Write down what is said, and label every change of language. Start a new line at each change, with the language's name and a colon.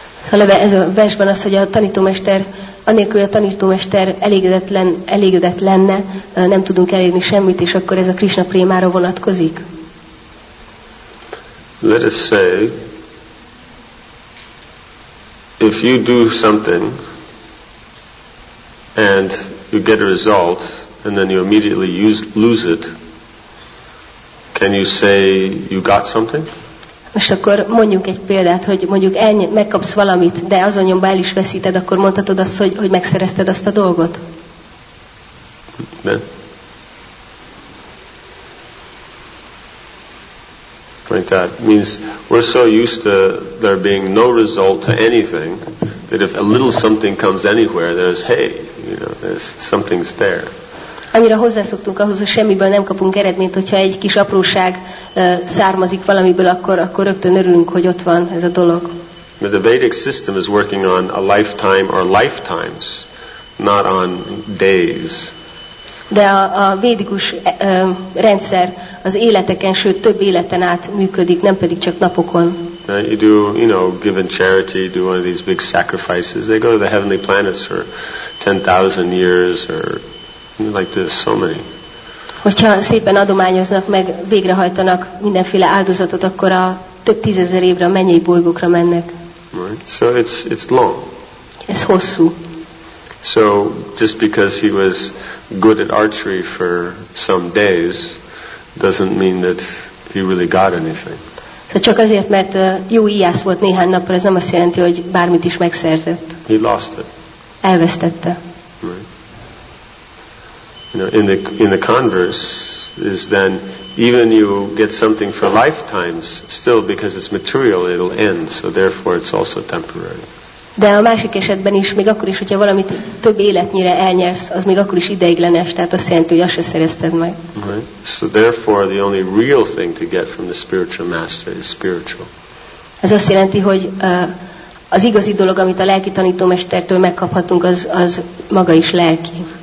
Hungarian: Szóval ez a versben az, hogy a tanítómester, anélkül, hogy a tanítómester elégedett lenne, nem tudunk elérni semmit, és akkor ez a Krishna prémára vonatkozik.
English: Let us say, if you do something, and you get a result, and then you immediately lose it, can you say you got something?
Hungarian: Most akkor mondjuk egy példát, hogy mondjuk megkapsz valamit, de azonnyomban el is veszíted, akkor mondhatod azt, hogy megszerezted azt a dolgot? Nem.
English: Like that means we're so used to there being no result to anything that if a little something comes anywhere, there's hey, you know, there's something's there.
Hungarian: Annyira hozzászoktunk ahhoz, hogy semmiből nem kapunk eredményt, hogyha egy kis apróság származik valamiből, akkor rögtön örülünk, hogy ott van ez a dolog.
English: But the Vedic system is working on a lifetime or lifetimes, not on days.
Hungarian: De a védikus rendszer az életeken, sőt több életen át működik, nem pedig csak napokon.
English: You do, you know, given charity, do one of these big sacrifices. They go to the heavenly planets for 10,000 years or like this, so many.
Hungarian: Hogyha szépen adományoznak, meg végrehajtanak mindenféle áldozatot, akkor a több tízezer évre a mennyei bolygókra mennek.
English: Right. So it's long.
Hungarian: Ez hosszú.
English: So just because he was good at archery for some days doesn't mean that he really got anything.
Hungarian: Szóval csak azért, mert jó íjász volt néhány napra, ez nem azt jelenti, hogy bármit is megszerzett.
English: He lost it.
Hungarian: Elvesztette.
English: Right. You know, in the converse is then even you get something for lifetimes still because it's material it'll end, so therefore it's also temporary.
Hungarian: De a másik esetben is még akkor is, hogyha valamit több életnyire elnyersz, az még akkor is ideiglenes, tehát azt jelenti, hogy azt se szerezted meg.
English: So therefore the only real thing to get from the spiritual master is spiritual.
Hungarian: Ez azt jelenti, hogy az igazi dolog, amit a lelki tanítómestertől megkaphatunk, az maga is lelki.